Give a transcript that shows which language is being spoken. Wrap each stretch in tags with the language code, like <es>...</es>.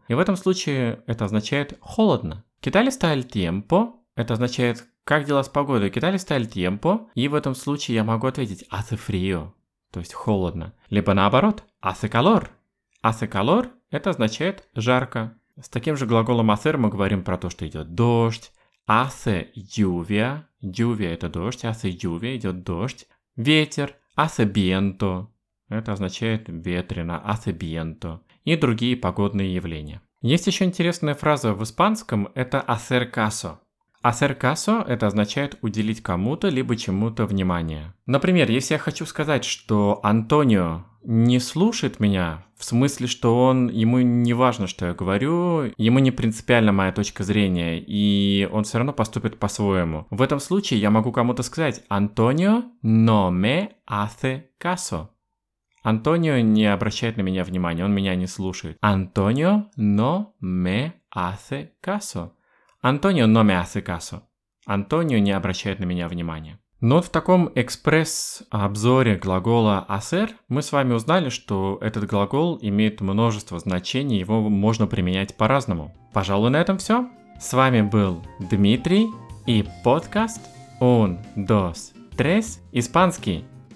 <ru>И в этом случае это означает «холодно».</ru> <es>«Quitale está el tiempo»</es> <ru>– это означает «как дела с погодой?»</ru> <es>«Quitale está el tiempo»</es> <ru>– и в этом случае я могу ответить</ru> <es>«hace frío»,</es> <ru>то есть «холодно». Либо наоборот</ru> <es>«hace calor».</es> <ru>«Hace calor» – это означает «жарко». С таким же глаголом «hacer» мы говорим про то, что идет дождь.</ru> <es>«Hace lluvia»</es> <ru>– «lluvia» – это дождь.</ru> <es>«Hace lluvia»</es> <ru>– идет дождь. «Ветер» –</ru> <es>«hace viento»</es> <ru>– это означает «ветрено», «hace viento». И другие погодные явления. Есть еще интересная фраза в испанском – это</ru> <es>«hacer caso». «Hacer caso»</es> <ru>– это означает «уделить кому-то либо чему-то внимание». Например, если я хочу сказать, что Антонио не слушает меня, в смысле, что он, ему не важно, что я говорю, ему не принципиально моя точка зрения, и он все равно поступит по-своему. В этом случае я могу кому-то сказать «Антонио</ru> <es>no me hace caso».</es> <ru>Антонио не обращает на меня внимания, он меня не слушает.</ru> <es>«Антонио no me hace caso». «Антонио no me hace caso».</es> <ru>«Антонио не обращает на меня внимания». Но вот в таком экспресс-обзоре глагола «hacer» мы с вами узнали, что этот глагол имеет множество значений, его можно применять по-разному. Пожалуй, на этом все. С вами был Дмитрий и подкаст «Un, dos, tres» испанский.</ru>